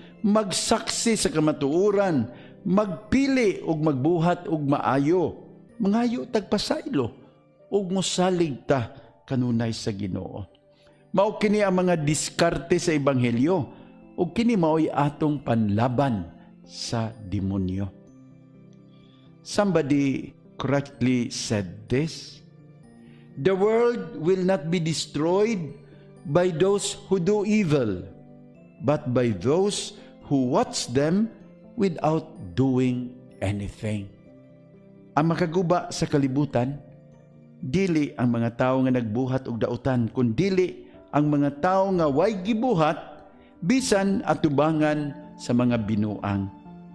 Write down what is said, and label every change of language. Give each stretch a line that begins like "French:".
Cebuano: Magsaksi sa kamatuuran. Magpili ug magbuhat ug maayo. Mangayo tagpasaylo ug musalig ta kanunay sa Ginoo. Mao kini ang mga diskarte sa Ebanghelyo ug kini mao'y atong panlaban sa demonyo.
English: Somebody correctly said this. The world will not be destroyed by those who do evil, but by those who watch them without doing anything.
Cebuano: Ang makaguba sa kalibutan, dili ang mga tao nga nagbuhat og daotan, kundili ang mga tao nga way gibuhat, bisan atubangan sa mga binuang.